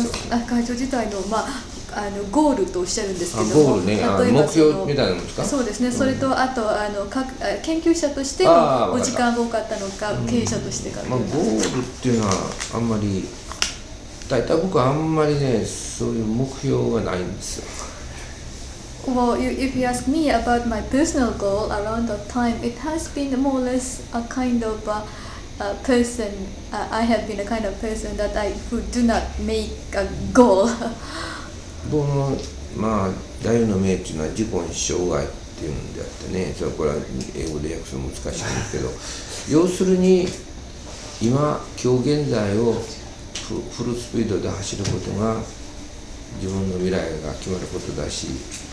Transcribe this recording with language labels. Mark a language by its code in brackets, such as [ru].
[ja] あ、会長自体の、まあ、ゴールとおっしゃるんですけども、あ、ゴールね、例えば目標みたいなのですか？そうですね、それと、うん、あと研究者としてのお時間が多かったのか、経営者としてかというか、うん、まあ、ゴールっていうのはあんまり、大体僕はあんまりね、そういう目標がないんですよ。 [en] Well, if you ask me about my personal goal around that time, it has been more or less a kind of a person. I have been a kind of person that I who do not make a goal. [ja] 僕のまあ座右の銘というのは自己に障害っていうんであってね、それこれは英語で訳すの難しいんですけど、要するに今日現在をフルスピードで走ることが自分の未来が決まることだし。